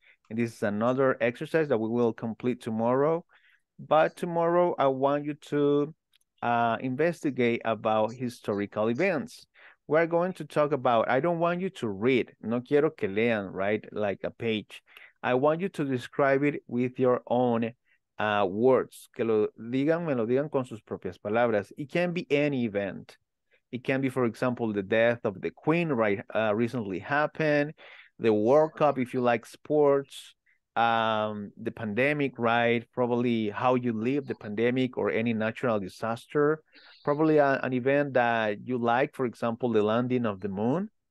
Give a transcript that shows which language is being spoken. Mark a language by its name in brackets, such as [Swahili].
[English] And this is another exercise that we will complete tomorrow. But tomorrow, I want you to investigate about historical events. We're going to talk about, I don't want you to read. [Spanish] No quiero que lean, [English] right? Like a page. I want you to describe it with your own words. [Spanish] Que lo digan, me lo digan con sus propias palabras. [English] It can be any event. It can be, for example, the death of the queen, right? Recently happened. The World Cup, if you like sports. The pandemic, right? Probably how you live the pandemic or any natural disaster. Probably an event that you like, for example, the landing of the moon.